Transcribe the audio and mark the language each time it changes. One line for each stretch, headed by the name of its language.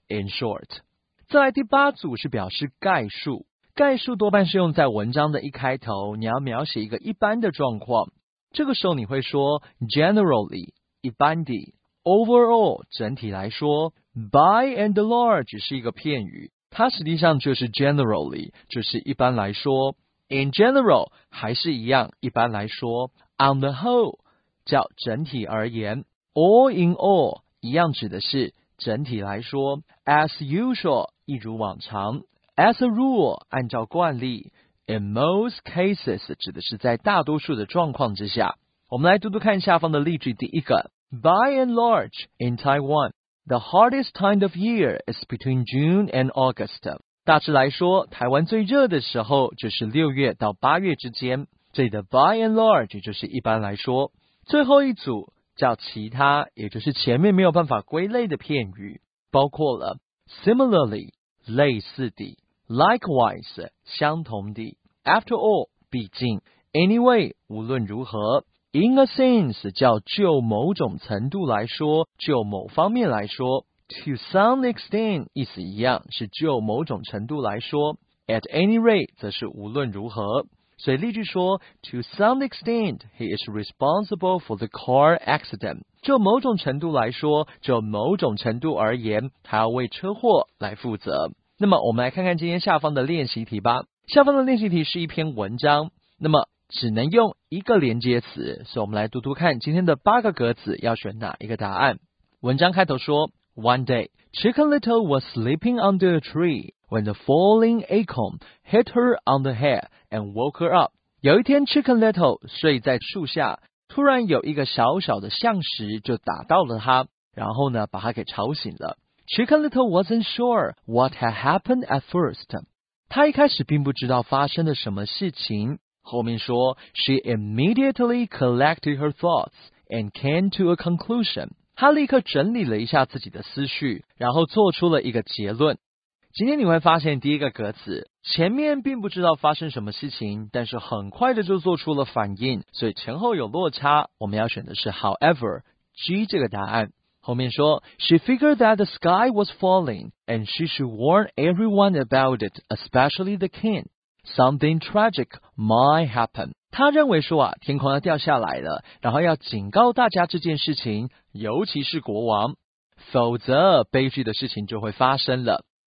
Chinese: In short。 再来第八组是表示概述，概述多半是用在文章的一开头，你要描写一个一般的状况，这个时候你会说 generally 一般的， overall 整体来说， by and large 是一个片语，它实际上就是 generally 就是一般来说， in general 还是一样一般来说， on the whole 叫整体而言， all in all 一样指的是整体来说 ，as usual 一如往常 ，as a rule 按照惯例 ，in most cases 指的是在大多数的状况之下。我们来读读看下方的例句。第一个
English: ，By and large in Taiwan, the hottest time of year is between June and August。
Chinese: 大致来说，台湾最热的时候就是六月到八月之间。这里的 by and large 就是一般来说。最后一组叫其他，也就是前面没有办法归类的片语，包括了 similarly 类似的 ，likewise 相同的 ，after all 毕竟 ，anyway 无论如何 ，in a sense 叫就某种程度来说，就某方面来说 ，to some extent 意思一样，是就某种程度来说 ，at any rate 则是无论如何。所以例句说
English: ，To some extent, he is responsible for the car accident.
Chinese: 就某种程度来说，就某种程度而言，他要为车祸来负责。那么我们来看看今天下方的练习题吧。下方的练习题是一篇文章，那么只能用一个连接词，所以我们来读读看今天的八个格子要选哪一个答案。文章开头说
English: ，One day, Chicken Little was sleeping under a tree. When the falling acorn hit her on the head and woke her up.
Chinese: 有一天 Chicken Little 睡在树下，突然有一个小小的象石就打到了他，然后呢把他给吵醒了。
English: Chicken Little wasn't sure what had happened at first.
Chinese: 他一开始并不知道发生了什么事情。后面说
English: She immediately collected her thoughts and came to a conclusion.
Chinese: 他立刻整理了一下自己的思绪，然后做出了一个结论。今天你会发现第一个格子前面并不知道发生什么事情，但是很快的就做出了反应，所以前后有落差，我们要选的是 however G 这个答案。后面说
English: She figured that the sky was falling and she should warn everyone about it, especially the king. Something tragic might happen.
Chinese: 他认为说天空要掉下来了，然后要警告大家这件事情，尤其是国王，否则悲剧的事情就会发生了。